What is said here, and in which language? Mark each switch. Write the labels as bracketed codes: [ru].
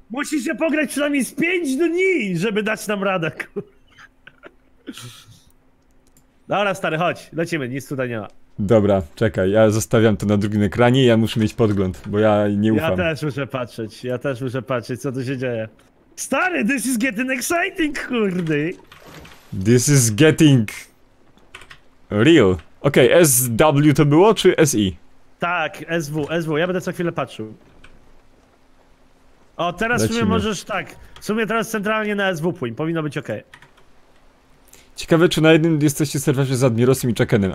[pl] Musisz się pograć przynajmniej z 5 dni, żeby dać nam radę. Dobra, stary, chodź, lecimy, nic tutaj nie ma. Dobra, czekaj, ja zostawiam to na drugim ekranie i ja muszę mieć podgląd, bo ja nie ufam. Ja też muszę patrzeć, co tu się dzieje. Stary, [en] this is getting exciting, [pl] kurde. [en] This is getting real. [pl] Okej, okay, SW to było, czy SI? Tak, SW, ja będę co chwilę patrzył. O, teraz lecimy. W sumie możesz tak, w sumie teraz centralnie na SW płyń, powinno być okej. [en] Okay. [pl] Ciekawe, czy na jednym jesteście serwerze z Admirosem i Chuckenem.